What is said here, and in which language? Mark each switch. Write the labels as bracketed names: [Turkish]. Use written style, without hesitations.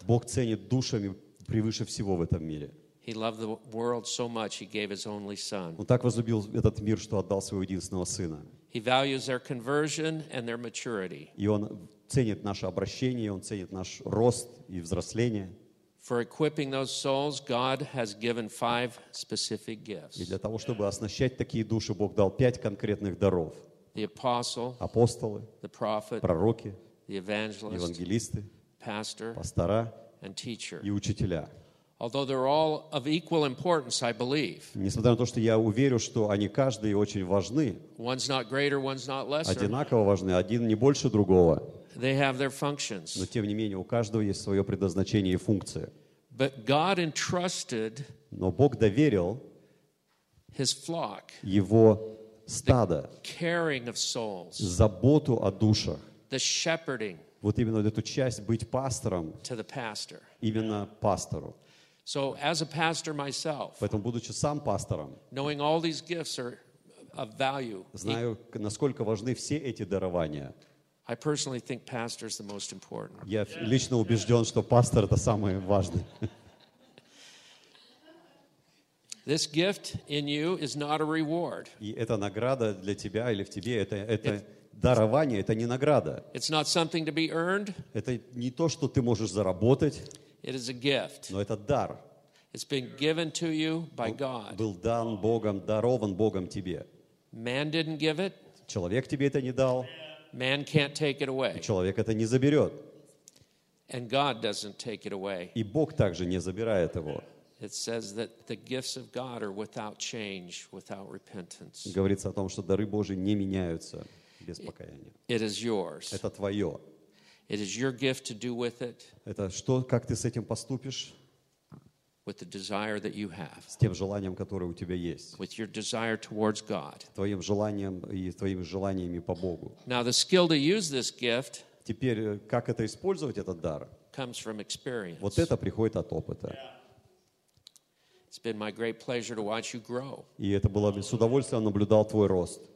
[Russian] Бог ценит душами превыше всего в этом мире. [English] He loved the world so much he gave his only son. [Russian] Он так возлюбил этот мир, что отдал своего единственного сына. [English] He values their conversion and their maturity. [Russian] И он ценит наше обращение, он ценит наш рост и взросление. [English] For equipping those souls, God has given five specific gifts. [Russian] И для того, чтобы оснащать такие души, Бог дал пять конкретных даров. [English] The apostle, [Russian] апостолы, [English] the prophet, [Russian] пророки, [English] the evangelist, [Russian] евангелисты, [English] pastor, [Russian] пастора, [English] and teacher. [Russian] И учителя. [English] Although they're all of equal importance, I believe. [Russian] Несмотря на то, что я уверен, что они каждый очень важны. [English] One's not greater, one's not lesser. [Russian] Одинаково важны, один не больше другого. [English] They have their functions. [Russian] Но тем не менее, у каждого есть своё предназначение и функция. [English] But God entrusted. [Russian] Но Бог доверил [English] his flock. [Russian] Его стадо. [English] The caring of souls. [Russian] Заботу о душах. [English] The shepherding. [Russian] Вот именно эту часть быть пастором. [English] To the pastor. [Russian] Именно пастору. [English] So as a pastor myself. [Russian] Поэтому будучи сам пастором. [English] Knowing all these gifts are of value. [Russian] Знаю, насколько важны все эти дарования. [English] I personally think pastor is the most important. [Russian] Я лично убеждён, что пастор это самый важный. [English] This gift in you is not a reward. [Russian] И эта награда для тебя или в тебе это дарование, это не награда. [English] It's not something to be earned. [Russian] Это не то, что ты можешь заработать. [English] It is a gift. [Russian] Но это дар. [English] It's been given to you by God. [Russian] Был дан Богом, дарован Богом тебе. [English] Man didn't give it. [Russian] Человек тебе это не дал. [English] Man can't take it away. [Russian] Человек это не заберёт. [English] And God doesn't take it away. [Russian] И Бог также не забирает его. [English] It says that the gifts of God are without change, without repentance. [Russian] Говорится о том, что дары Божьи не меняются без покаяния. [English] It is yours. [Russian] Это твоё. [English] It is your gift to do with it. [Russian] Это что, как ты с этим поступишь? [English] With the desire that you have. [Russian] С тем желанием, которое у тебя есть. [English] With your desire towards God. [Russian] Твоим желанием и твоими желаниями по Богу. [English] Now the skill to use this gift. [Russian] Теперь как это использовать этот дар? [English] Comes from experience. [Russian] Вот это приходит от опыта. [English] It's been my great pleasure to watch you grow. [Russian] И это было с удовольствием наблюдал твой рост.